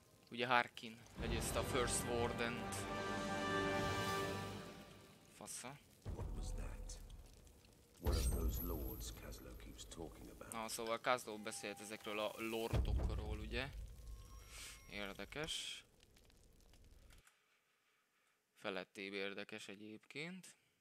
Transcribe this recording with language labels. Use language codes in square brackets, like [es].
[hu] Ugye Harkin legyőzte a First Warden-t. Fasza. [en] What was that? One of those lords Kazlo keeps talking about. [hu] Na, szóval Kazlo beszélt ezekről a lordokról, ugye? Érdekes. Felettébb érdekes egyébként.